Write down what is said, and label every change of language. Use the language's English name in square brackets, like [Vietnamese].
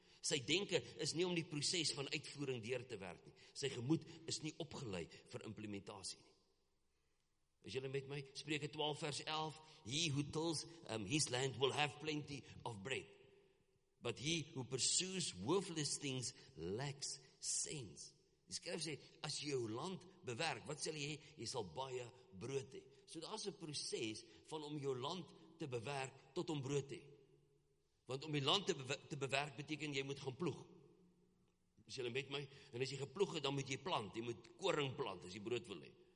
[Afrikaans] Sy denke is nie om die proses van uitvoering deur te werk nie. Sy gemoed is nie opgelei vir implementatie nie. Is julle met my? Spreuke 12 vers 11, [English] he who tills his land will have plenty of bread, but he who pursues worthless things lacks sense. [Afrikaans] Die skrif sê, as jy jou land bewerk, wat sal jy? Jy sal baie brood hê. So daar is 'n proses van om jou land te bewerk tot om brood hê. Want om die land te bewerk beteken jy moet gaan ploeg. as jylle met my, en as jy geploeg het, dan moet jy plant, jy moet koring plant, as jy brood wil hê.